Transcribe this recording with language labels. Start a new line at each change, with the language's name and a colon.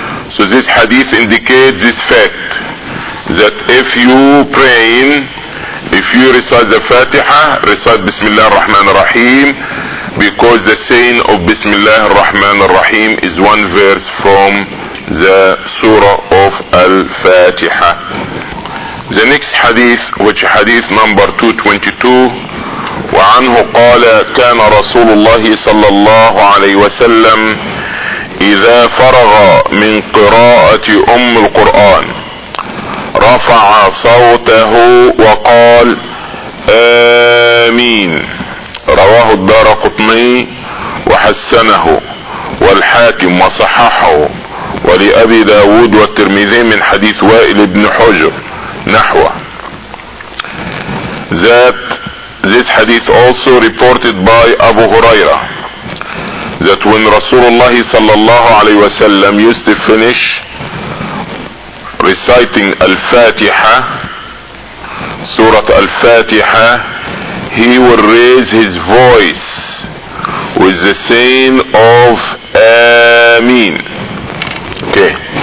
English: So this hadith indicates this fact, that if you praying, if you recite the Fatiha, recite Bismillah ar-Rahman ar-Rahim, because the saying of Bismillah ar-Rahman ar-Rahim is one verse from the Surah of Al-Fatiha. The next hadith, which hadith number 222,
Arabic: وعنه قال كان رسول الله صلى الله عليه وسلم إذا فرغ من قراءة أم القرآن رفع صوته وقال آمين. رواه الدارقطني وحسنه والحاكم وصححه ولأبي داود والترمذي من حديث وائل بن حجر نحوه.
English: That this hadith also reported by Abu Huraira, that when Rasulullah sallallahu alayhi wa sallam used to finish reciting Al-Fatiha, Surah Al-Fatiha, he will raise his voice with the saying of Ameen. Okay.